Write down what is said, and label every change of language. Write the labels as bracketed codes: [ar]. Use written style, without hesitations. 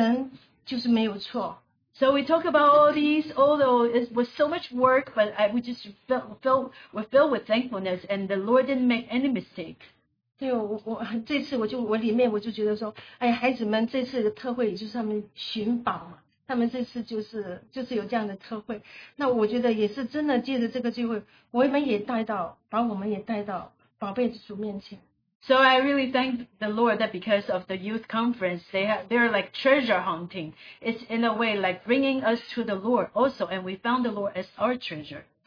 [zh] 哎，我们讲到这些，因为虽然是过去，但是我们里面真是很感恩，觉得神就是没有错。 [en] So we talk about all these, although it was so much work, but we're filled with thankfulness, and the Lord didn't make any mistake. [zh] 对，我这次我就我里面我就觉得说，哎，孩子们这次的特会就是他们寻宝嘛。他们这次就是有这样的特会，那我觉得也是真的借着这个机会，我们也带到，把我们也带到宝贝主面前。 [en] So I really thank the Lord that because of the youth conference, they're like treasure hunting. It's in a way like bringing us to the Lord also, and we found the Lord as our treasure.